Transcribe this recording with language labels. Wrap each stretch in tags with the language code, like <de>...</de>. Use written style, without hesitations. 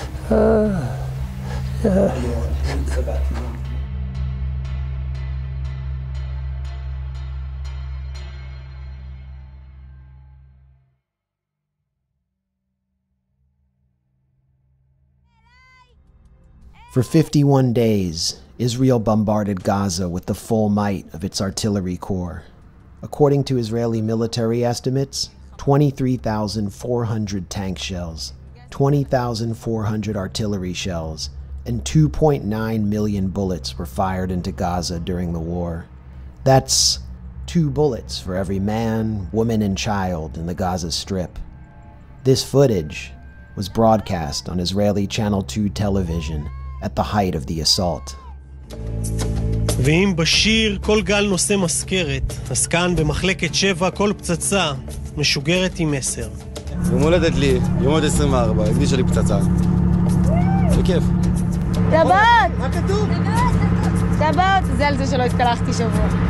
<en>For 51 days, Israel bombarded Gaza with the full might of its artillery corps. According to Israeli military estimates, 23,400 tank shells, 20,400 artillery shells, and 2.9 million bullets were fired into Gaza during the war. That's two bullets for every man, woman, and child in the Gaza Strip. This footage was broadcast on Israeli Channel 2 television at the height of the assault.</en> <he>ואם בשיר כל גל נושא מזכרת, אז כאן במחלקת שבע כל פצצה משוגרת עם מסר. יום הולדת לי, יום עוד 24, הגישה לי פצצה. זה כיף. טבעות! מה כתוב? טבעות, זה על זה שלא התקלחתי שבוע.</he>